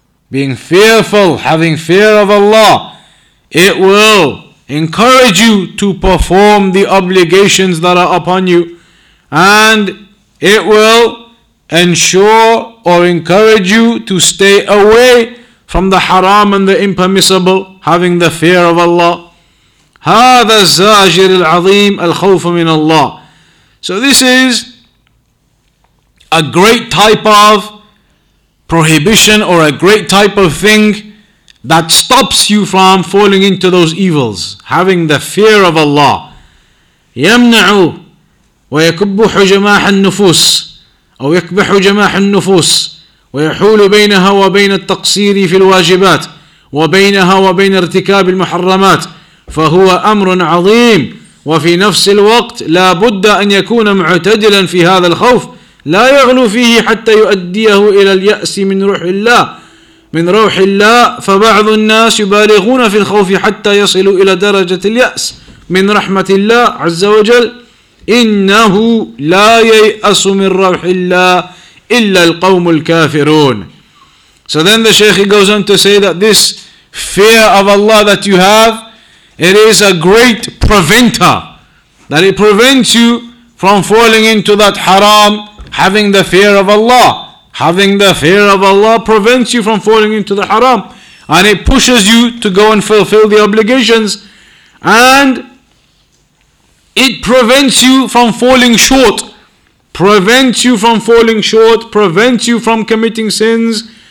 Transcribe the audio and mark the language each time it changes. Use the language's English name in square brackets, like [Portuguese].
[English] Being fearful, having fear of Allah, it will encourage you to perform the obligations that are upon you, and it will ensure or encourage you to stay away from the haram and the impermissible, having the fear of Allah. [Arabic] هذا الزاجر العظيم الخوف من الله. [English] So this is a great type of prohibition, or a great type of thing that stops you from falling into those evils, having the fear of Allah. [Arabic] يَمْنَعُ وَيَكُبُّحُ جَمَاحَ النُّفُوسِ أَوْ يَكْبَحُ جَمَاحَ النُّفُوسِ وَيَحُولُ بَيْنَهَا وَبَيْنَ التَّقْصِيرِ فِي الْوَاجِبَاتِ وَبَيْنَهَا وَبَيْنَ ارْتِكَابِ الْمُحَرَّمَاتِ فَهُوَ أَمْرٌ عَظِيمٌ وَفِي نَفْسِ الْوَقْتِ لَا بُدَّ أَنْ يَكُونَ مُعْتَدِلًا فِي هَذَا الْخَوْفِ لَا يَغْلُو فِيهِ حَتَّى يُؤَدِّيَهُ إِلَى الْيَأْسِ مِنْ رُوحِ اللَّهِ من روح الله فبعض الناس يبالغون في الخوف حتى يصلوا إلى درجة اليأس من رحمة الله عز وجل إنه لا ييأس من روح الله إلا القوم الكافرون. [English] So then the Shaykh goes on to say that this fear of Allah that you have, it is a great preventer, that it prevents you from falling into that haram, having the fear of Allah. Having the fear of Allah prevents you from falling into the haram, and it pushes you to go and fulfill the obligations, and it prevents you from falling short, prevents you from committing sins.